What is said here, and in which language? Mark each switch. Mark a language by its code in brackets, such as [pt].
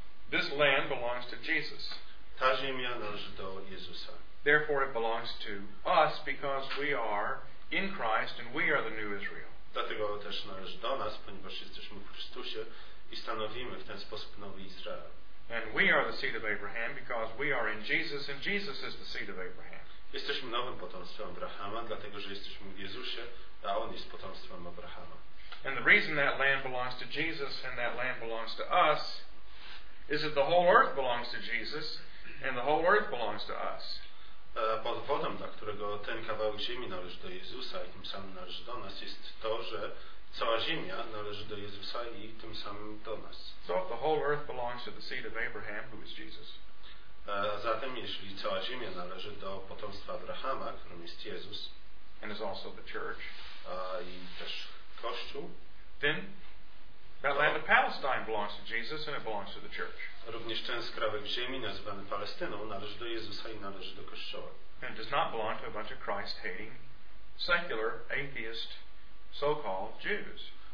[en] This land belongs to Jesus. [pl] Ta ziemia należy do Jezusa. [en] Therefore it belongs to us because we are in Christ and we are the new Israel. [pl] Dlatego też należy do nas, ponieważ jesteśmy w Chrystusie i stanowimy w ten sposób nowy Izrael. [en] And we are the seed of Abraham because we are in Jesus and Jesus is the seed of Abraham. [pl] Jesteśmy nowym potomstwem Abrahama, dlatego że jesteśmy w Jezusie, a On jest potomstwem Abrahama. [en] And the reason that land belongs to Jesus and that land belongs to us is that the whole earth belongs to Jesus and the whole earth belongs to us. [pl] Powodem, dla którego ten kawałek ziemi należy do Jezusa i tym samym należy do nas, jest to, że cała ziemia należy do Jezusa i tym samym do nas. [en] So if the whole earth belongs to the seed of Abraham, who is Jesus. [pl] Zatem, jeśli cała ziemia należy do potomstwa Abrahama, którym jest Jezus, [en] and is also the church, [pl] i też Kościół, [en] then that land of Palestine belongs to Jesus and it belongs to the church. [pl] Również ten skrawek ziemi nazywany Palestyną należy do Jezusa i należy do Kościoła. [en] And does not belong to a bunch of Christ-hating, secular, atheist, so-called Jews.